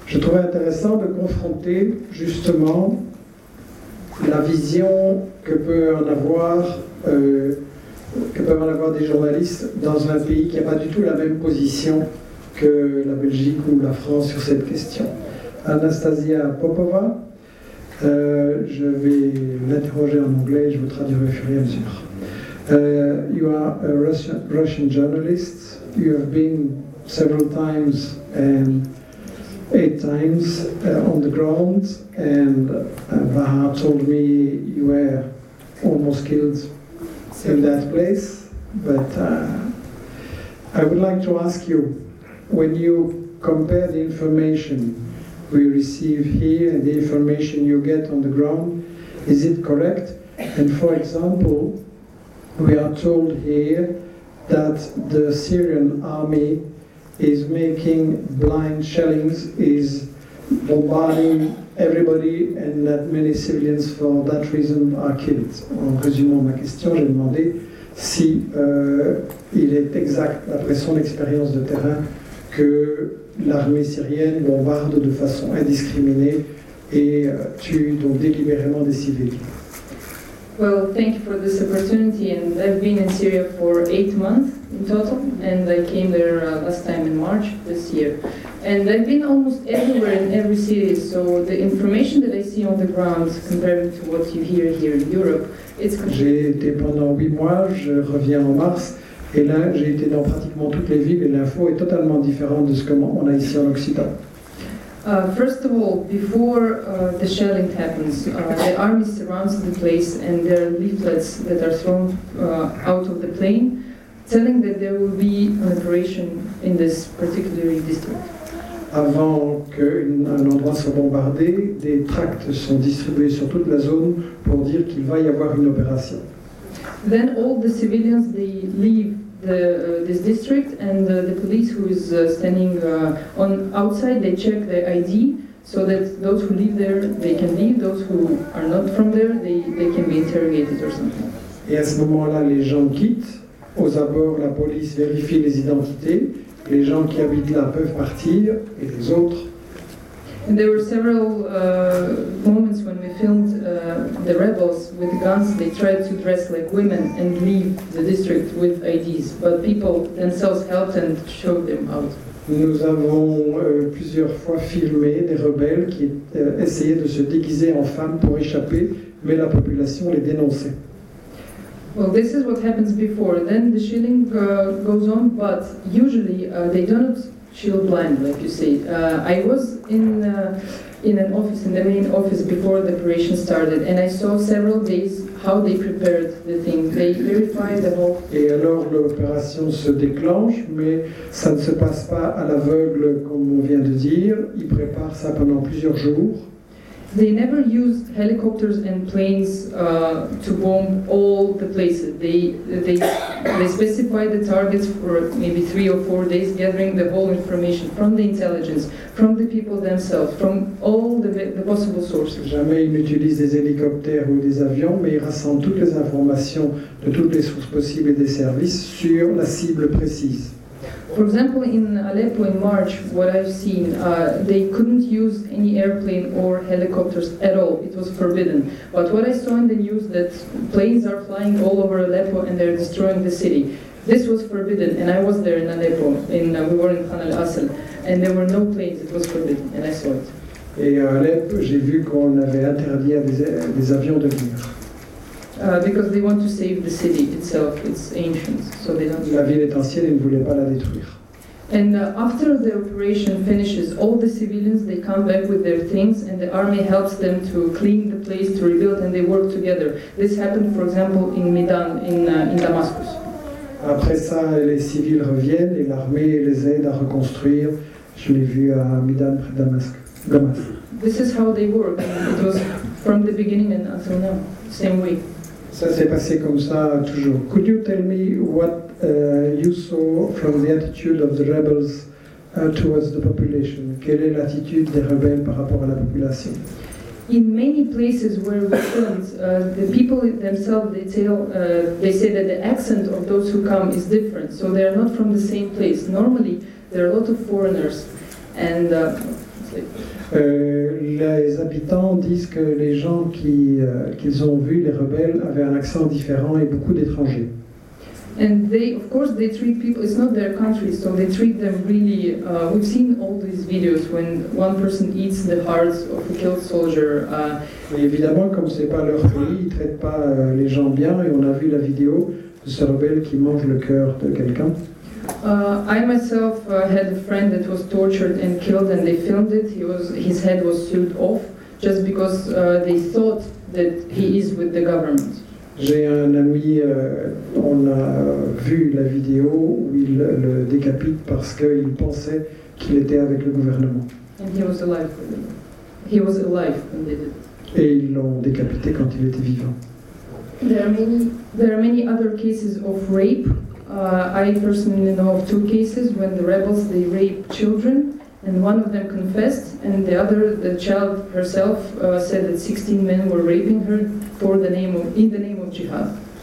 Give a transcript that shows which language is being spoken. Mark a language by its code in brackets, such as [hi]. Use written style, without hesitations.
[fr] Je trouvais intéressant de confronter justement la vision que peuvent en avoir des journalistes dans un pays qui n'a pas du tout la même position que la Belgique ou la France sur cette question. Anastasia Popova, je vais l'interroger en anglais et je vous traduirai au fur et à mesure. [en] You are a Russian journalist. You have been several times and 8 times on the ground, and Vaha told me you were almost killed in that place. But I would like to ask you, when you compare the information we receive here and the information you get on the ground, is it correct? And for example, we are told here that the Syrian army is making blind shellings, is bombarding everybody, and that many civilians for that reason are killed. [fr] En résumant ma question, j'ai demandé si il est exact, après son expérience de terrain, que l'armée syrienne bombarde de façon indiscriminée et tue donc délibérément des civils. [en] Well, thank you for this opportunity, and I've been in Syria for 8 months in total, and I came there last time in March this year. And I've been almost everywhere in every city, so the information that I see on the ground compared to what you hear here in Europe, it's... [fr] J'ai été pendant 8 mois, je reviens en mars, et là j'ai été dans pratiquement toutes les villes, et l'info est totalement différente de ce qu'on a ici en Occident. [en] First of all, before the shelling happens, the army surrounds the place, and there are leaflets that are thrown out of the plane, telling that there will be an operation in this particular district. [fr] Avant qu'un endroit soit bombardé, des tracts sont distribués sur toute la zone pour dire qu'il va y avoir une opération. [en] Then all the civilians, they leave this district, and the police who is standing on outside, they check their ID so that those who live there, they can leave. Those who are not from there, they can be interrogated or something. [fr] Et à ce moment-là, les gens quittent. Aux abords, la police vérifie les identités. Les gens qui habitent là peuvent partir, et les autres. [en] And there were several moments when we filmed the rebels with guns. They tried to dress like women and leave the district with IDs, but people themselves helped and showed them out. [fr] Nous avons plusieurs fois filmé des rebelles qui essayaient de se déguiser en femmes pour échapper, mais la population les dénonçait. [en] Well, this is what happens before. Then the shelling goes on, but usually they don't shield blind, like you say. I was in an office, in the main office, before the operation started, and I saw several days how they prepared the thing. They verified the whole. [fr] Et alors l'opération se déclenche, mais ça ne se passe pas à l'aveugle, comme on vient de dire. Ils préparent ça pendant plusieurs jours. [en] They never used helicopters and planes to bomb all the places. They specify the targets for maybe 3 or 4 days, gathering the whole information from the intelligence, from the people themselves, from all the possible sources. [fr] Jamais ils n'utilisent des hélicoptères ou des avions, mais ils rassemblent toutes les informations de toutes les sources possibles et des services sur la cible précise. [en] For example, in Aleppo in March, what I've seen, they couldn't use any airplane or helicopters at all. It was forbidden. But what I saw in the news, that planes are flying all over Aleppo and they're destroying the city. This was forbidden, and I was there in Aleppo, we were in Khan al-Asl, and there were no planes. It was forbidden, and I saw it. [fr] Et à Aleppo, j'ai vu qu'on avait interdit à des avions de venir. [en] Because they want to save the city itself, it's ancient, so they don't... [fr] La ville est ancienne, ils ne voulaient pas la détruire. [en] And after the operation finishes, all the civilians, they come back with their things, and the army helps them to clean the place, to rebuild, and they work together. This happened, for example, in Medan, in Damascus. [fr] Après ça, les civils reviennent, et l'armée les aide à reconstruire. Je l'ai vu à Medan, près de Damascus. [en] This is how they work. It was from the beginning and until now, same way. [fr] Ça s'est passé comme ça toujours. [en] Could you tell me what you saw from the attitude of the rebels towards the population? [fr] Quelle est l'attitude des rebelles par rapport à la population? [en] In many places where we filmed, the people themselves, they say that the accent of those who come is different. So they are not from the same place. Normally, there are a lot of foreigners, and [fr] Les habitants disent que les gens qu'ils ont vus, les rebelles, avaient un accent différent et beaucoup d'étrangers. [en] And they, of course, they treat people, it's not their country, so they treat them really, we've seen all these videos when one person eats the hearts of a killed soldier. [fr] Et évidemment, comme c'est pas leur pays, ils traitent pas les gens bien, et on a vu la vidéo de ce rebelle qui mange le cœur de quelqu'un. [en] I myself had a friend that was tortured and killed, and they filmed it. His head was sawed off, just because they thought that he is with the government. [fr] J'ai un ami, on a vu la vidéo où il le décapite parce qu'il pensait qu'il était avec le gouvernement. [en] And he was alive. He was alive when they did. [fr] Et ils l'ont décapité quand il était vivant. [en] There are many other cases of rape. I personally know of two cases when the rebels they rape children, and one of them confessed, and the other, the child herself, said that 16 men were raping her in the name of jihad.